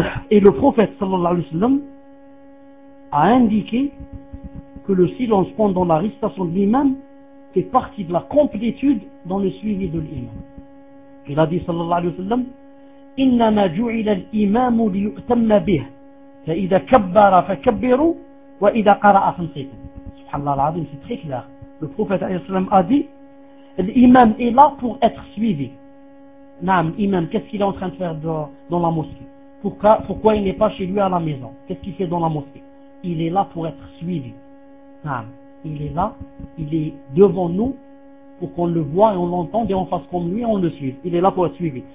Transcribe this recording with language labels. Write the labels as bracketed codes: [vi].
[fr] Et le prophète sallallahu alayhi wa sallam a indiqué que le silence pendant la récitation de l'imam fait partie de la complétude dans le suivi de l'imam. Il a dit [ar] sallallahu alayhi wa sallam, إِنَّمَا جُعِلَ الْإِمَامُ لِيُؤْتَمَّ بِهِ فَإِذَا كَبَّرَ فَكَبِّرُوا وَإِذَا قَرَأَ فَانْصِتُوا. [fr] Subhanallah al-Azim, c'est très clair. Le prophète a dit, l'imam est là pour être suivi. Naam, imam, qu'est-ce qu'il est en train de faire dans la mosquée? Pourquoi il n'est pas chez lui à la maison? Qu'est-ce qu'il fait dans la mosquée? Il est là pour être suivi. Naam, il est là, il est devant nous pour qu'on le voit et on l'entende et on fasse comme lui et on le suive. Il est là pour être suivi.